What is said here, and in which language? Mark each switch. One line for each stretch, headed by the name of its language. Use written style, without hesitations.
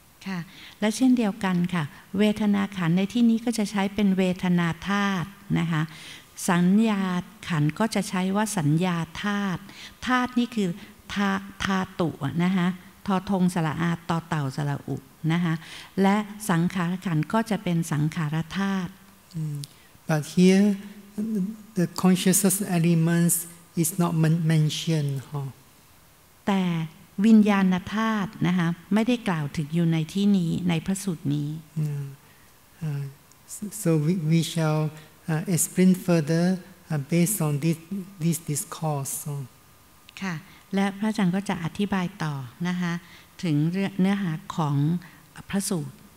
Thai: ค่ะและเช่นเดียวกันค่ะเวทนาขันในที่นี้ก็จะใช้เป็นเวทนาธาตุนะคะสัญญาขันก็จะใช้ว่าสัญญาธาตุธาตุนี่คือธาตุนะคะทอทงสระอาตอเต่าสระอุนะคะและสังขารขันก็จะเป็นสังขารธาตุ
English: but here the conscious elements is not mentioned huh?
Thai: แต่วิญญาณธาตุนะคะไม่ได้กล่าวถึงอยู่ในที่นี้ในพระสูตรนี้
English: so we shall explain further based on this discourse
Thai: ค่ะและพระอาจารย์ก็จะอธิบายต่อนะคะถึงเนื้อหาของพระสูตร